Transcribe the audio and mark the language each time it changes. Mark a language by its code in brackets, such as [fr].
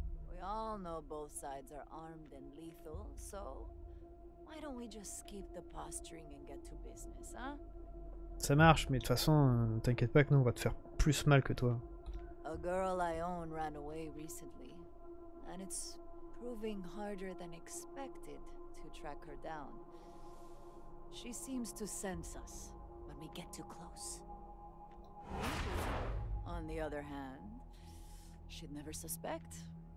[en] We all know both sides are armed and lethal, so why don't we just skip the posturing and get to business, huh? [fr] Ça marche, mais de toute façon, t'inquiète pas que nous on va te faire plus mal que toi. [en] A girl I own ran away recently, and it's proving harder than expected to track her down. She seems to sense us when we get too close. On the other hand, she'd never suspect.